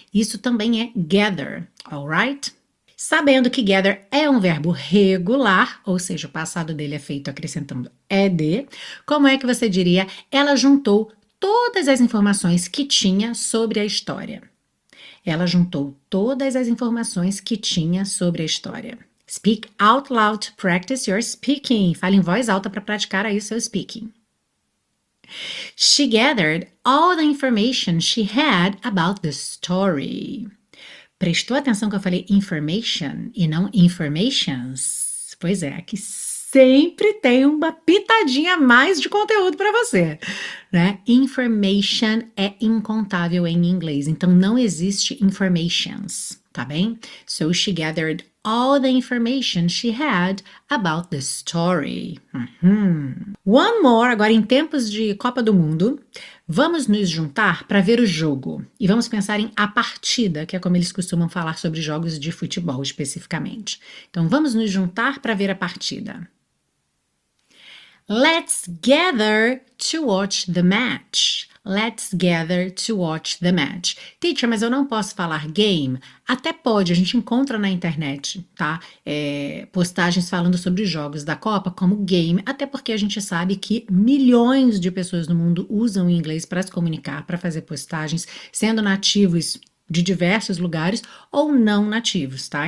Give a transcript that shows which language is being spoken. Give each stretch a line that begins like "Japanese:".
Portuguese: Isso também é gather,
English: alright?
Portuguese: Sabendo que gather é um verbo regular, ou seja, o passado dele é feito acrescentando ed, como é que você diria? Ela juntou todas as informações que tinha sobre a história. Ela juntou todas as informações que tinha sobre a história.
English: Speak out loud to practice your speaking.
Portuguese: Fale em voz alta para praticar aí seu speaking.
English: She gathered all the information she had about the story.
Portuguese: Prestou atenção que eu falei information e não informations? Pois é, aqui sempre tem uma pitadinha a mais de conteúdo para você, né? Information é incontável em inglês, então não existe informations, tá bem?
English: So she gathered all the information she had about the story. One more,
Portuguese: agora em tempos de Copa do Mundo, vamos nos juntar para ver o jogo e vamos pensar em a partida, que é como eles costumam falar sobre jogos de futebol especificamente. Então vamos nos juntar para ver a partida.
English: Let's gather to watch the match. Let's gather to watch the match.
Portuguese: Teacher, mas eu não posso falar game? Até pode, a gente encontra na internet, tá? Postagens falando sobre jogos da Copa como game, até porque a gente sabe que milhões de pessoas no mundo usam o inglês para se comunicar, para fazer postagens, sendo nativos de diversos lugares ou não nativos, tá?